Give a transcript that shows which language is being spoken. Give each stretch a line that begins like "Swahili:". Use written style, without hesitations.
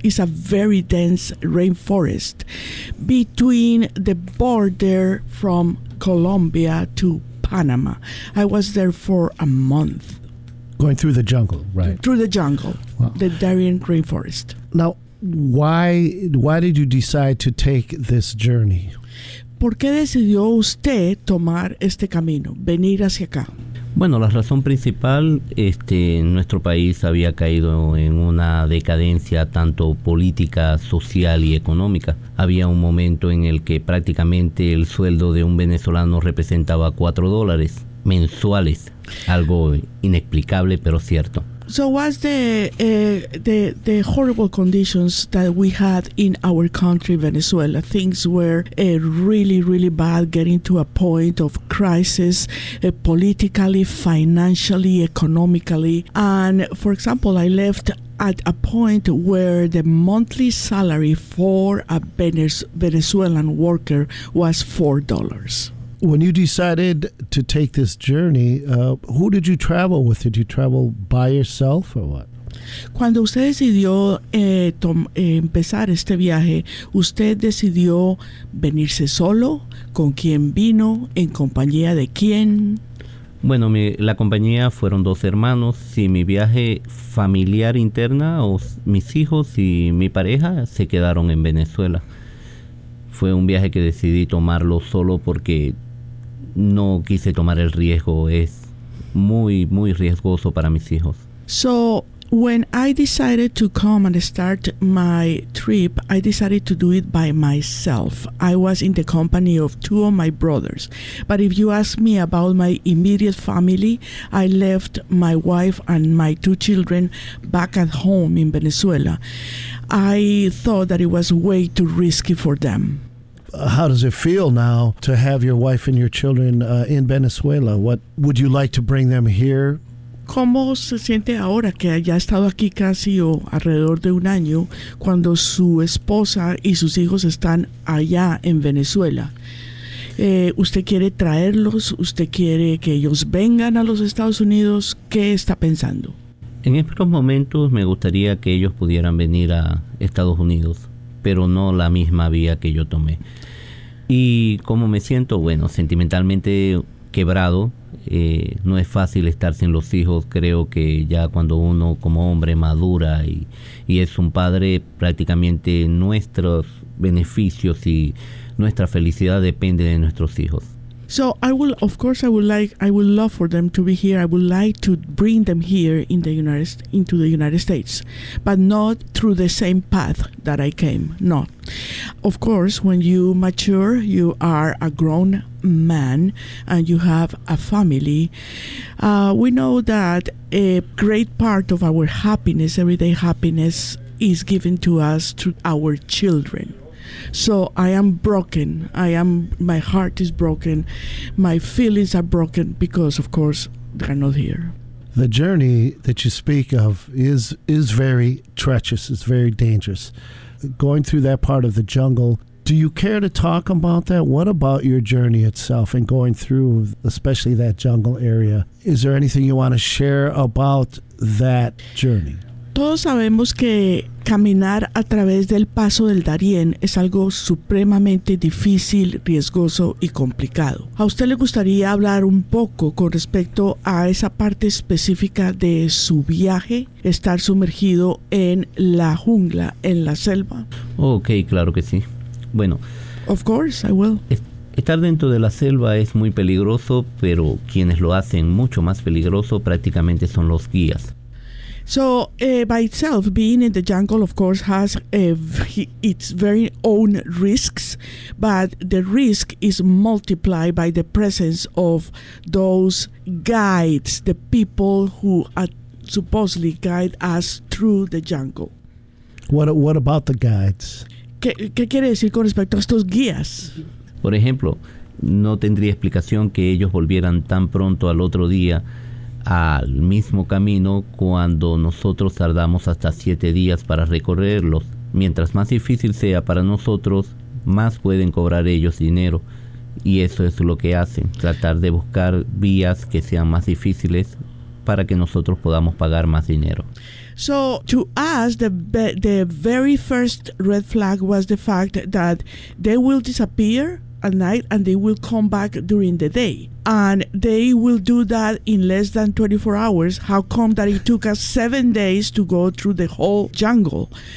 English: It's a very dense rainforest between the border from Colombia to Panama. I was there for a month. Going through the jungle, right? Through the jungle, wow. The Darien rainforest. Now, why did you decide to take this journey?
Spanish: ¿Por qué decidió usted tomar este camino, venir hacia acá? Bueno, la razón principal, nuestro país había caído en una decadencia tanto política, social y económica. Había un momento en el que prácticamente el sueldo de un venezolano representaba $4 mensuales, algo inexplicable pero cierto.
English: So what's the horrible conditions that we had in our country, Venezuela? Things were really, really bad, getting to a point of crisis politically, financially, economically. And for example, I left at a point where the monthly salary for a Venezuelan worker was $4. When you decided to take this journey, who did you travel with? Did you travel by yourself or what?
Spanish: Cuando usted decidió empezar este viaje, ¿usted decidió venirse solo? ¿Con quién vino? ¿En compañía de quién? Bueno, la compañía fueron dos hermanos. Sí, mi viaje familiar interna, o mis hijos y mi pareja se quedaron en Venezuela. Fue un viaje que decidí tomarlo solo porque no quise tomar el riesgo. Es muy, muy riesgoso para mis hijos.
English: So, when I decided to come and start my trip, I decided to do it by myself. I was in the company of two of my brothers. But if you ask me about my immediate family, I left my wife and my two children back at home in Venezuela. I thought that it was way too risky for them. How does it feel now to have your wife and your children in Venezuela? What would you like to bring them here?
Spanish: ¿Cómo se siente ahora que ya ha estado aquí casi o alrededor de un año cuando su esposa y sus hijos están allá en Venezuela? ¿Usted quiere traerlos? ¿Usted quiere que ellos vengan a los Estados Unidos? ¿Qué está pensando? En estos momentos me gustaría que ellos pudieran venir a Estados Unidos, pero no la misma vía que yo tomé. ¿Y cómo me siento? Bueno, sentimentalmente quebrado. No es fácil estar sin los hijos. Creo que ya cuando uno como hombre madura y es un padre, prácticamente nuestros beneficios y nuestra felicidad depende de nuestros hijos.
English: So I will, of course, I would love for them to be here. I would like to bring them here in the into the United States, but not through the same path that I came. No. Of course, when you mature, you are a grown man and you have a family. We know that a great part of our happiness, everyday happiness, is given to us through our children. So I am broken. My heart is broken. My feelings are broken because, of course, they are not here. The journey that you speak of is very treacherous. It's very dangerous. Going through that part of the jungle, do you care to talk about that? What about your journey itself and going through especially that jungle area? Is there anything you want to share about that journey?
Spanish: Todos sabemos que caminar a través del paso del Darién es algo supremamente difícil, riesgoso y complicado. ¿A usted le gustaría hablar un poco con respecto a esa parte específica de su viaje, estar sumergido en la jungla, en la selva? Ok, claro que sí. Bueno.
English: Of course, I will.
Spanish: Estar dentro de la selva es muy peligroso, pero quienes lo hacen mucho más peligroso prácticamente son los guías.
English: So, by itself, being in the jungle, of course, has its very own risks, but the risk is multiplied by the presence of those guides, the people who supposedly guide us through the jungle. What about the guides?
Spanish: ¿Qué quiere decir con respecto a estos guías? Por ejemplo, no tendría explicación que ellos volvieran tan pronto al otro día al mismo camino cuando nosotros tardamos hasta 7 días para recorrerlos. Mientras más difícil sea para nosotros, más pueden cobrar ellos dinero. Y eso es lo que hacen, tratar de buscar vías que sean más difíciles para que nosotros podamos pagar más dinero.
English: So to us, the very first red flag was the fact that they will disappear at night and they will come back during the day. And they will do that in less than 24 hours. How come that it took us 7 days to go through the whole jungle?